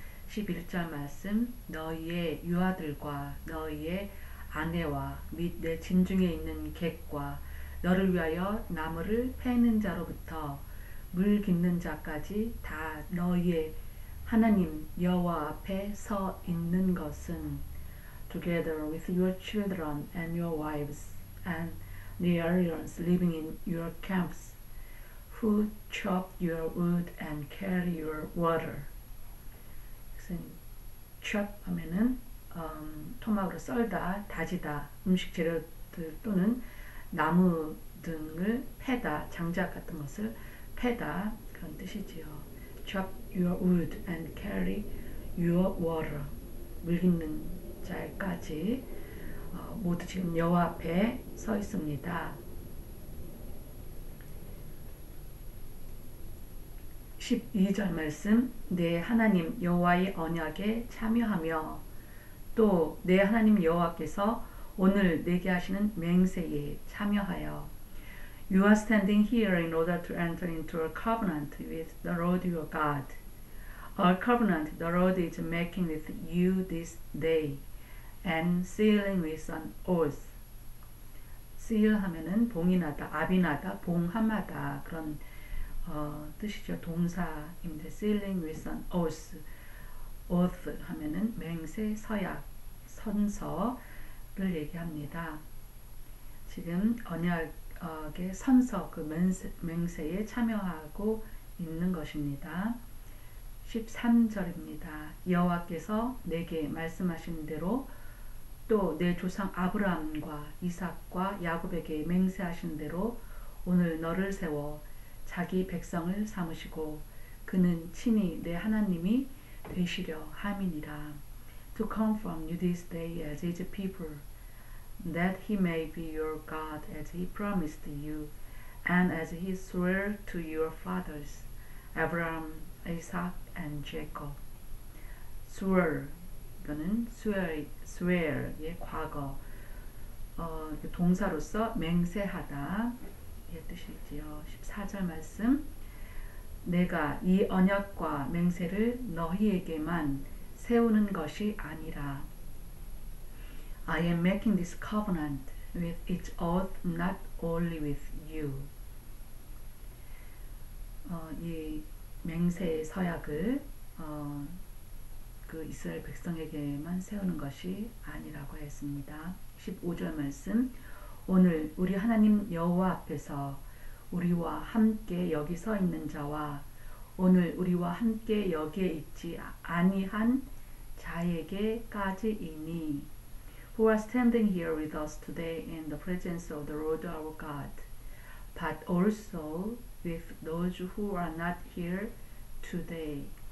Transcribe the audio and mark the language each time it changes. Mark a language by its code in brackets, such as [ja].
[ko] 11절 말씀, 너희의 유아들과 너희의 아내와 및 내 진중에 있는 객과 너를 위하여 나무를 패는 자로부터 물 깃는 자까지 다 너희의 하나님 여호와 앞에 서 있는 것은 [en] together with your children and your wives and the aliens living in your camps who chop your wood and carry your water. [ko] chop 하면은 토막으로 썰다, 다지다, 음식 재료들 또는 나무 등을 패다, 장작 같은 것을 패다, 그런 뜻이지요. [en] chop your wood and carry your water. [ko] 물 깃는 자까지 모두 지금 여호와 앞에 서 있습니다. 12절 말씀, 내 하나님 여호와의 언약에 참여하며 또 내 하나님 여호와께서 오늘 내게 하시는 맹세에 참여하여 [en] You are standing here in order to enter into a covenant with the Lord your God. A covenant the Lord is making with you this day. and sealing with an oath. [ko] seal 하면은 봉인하다, 아비나다, 봉함하다 그런 뜻이죠. 동사인데 [en] sealing with an oath. [ko] oath 하면은 맹세, 서약, 선서를 얘기합니다. 지금 언약의 선서, 그 맹세에 참여하고 있는 것입니다. 13절입니다. 여호와께서 내게 말씀하신 대로 또 내 조상 아브라함과 이삭과 야곱에게 맹세하신 대로 오늘 너를 세워 자기 백성을 삼으시고 그는 친히 내 하나님이 되시려 함이니라. [en] To confirm you this day as his people, that he may be your God as he promised you, and as he swore to your fathers, Abraham, Isaac, and Jacob. Swore. [ko] 이거는 swear의 과거, 동사로서 맹세하다의 뜻이지요. 14절 말씀, 내가 이 언약과 맹세를 너희에게만 세우는 것이 아니라 [en] I am making this covenant with its oath not only with you. [ko] 이 맹세의 서약을 그 이스라엘 백성에게만 세우는 것이 아니라고 했습니다. 15절 말씀, 오늘 우리 하나님 여호와 앞에서 우리와 함께 여기 서 있는 자와 오늘 우리와 함께 여기에 있지 아니한 자에게까지이니 [en] Who are standing here with us today in the presence of the Lord our God but also with those who are not here today